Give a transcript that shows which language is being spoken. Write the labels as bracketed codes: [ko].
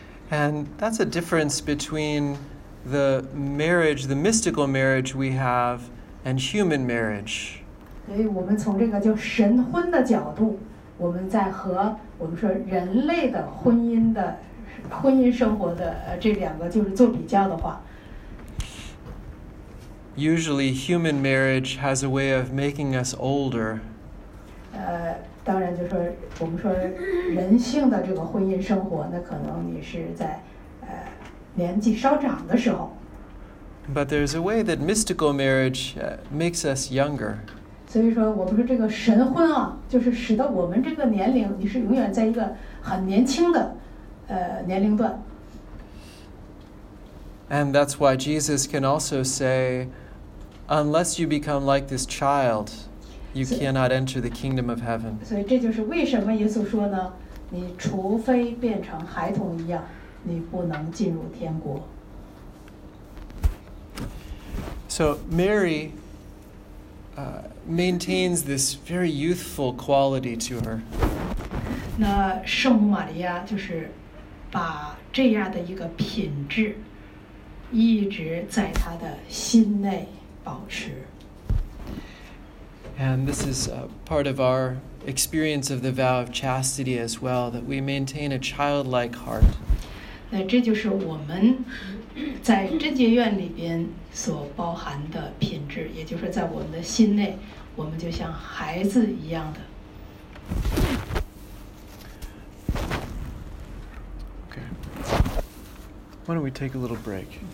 [en] And that's a difference between the marriage, the mystical marriage we have, and human marriage. [zh] 所以我们从这个叫神婚的角度，我们在和我们说人类的婚姻生活的这两个就是做比较的话。 [en] Usually, human marriage has a way of making us older. [zh] 当然就是我们说人性的这个婚姻生活，那可能你是在年纪稍长的时候。 [en] But there's a way that mystical marriage makes us younger. [zh] 所以说我们说这个神婚啊，就是使得我们这个年龄你是永远在一个很年轻的年龄段。 [en] And that's why Jesus can also say, unless you become like this child,You cannot enter the kingdom of heaven. [zh] 所以这就是为什么耶稣说呢，你除非变成孩童一样，你不能进入天国。 [en] So Mary maintains this very youthful quality to her. [zh] 那圣母玛利亚就是把这样的一个品质一直在她的心内保持。 [en] And this is part of our experience of the vow of chastity as well, that we maintain a childlike heart. [zh] 那这就是我们在贞洁院里边所包含的品质，也就是在我们的心内，我们就像孩子一样的。 [en] Okay. Why don't we take a little break?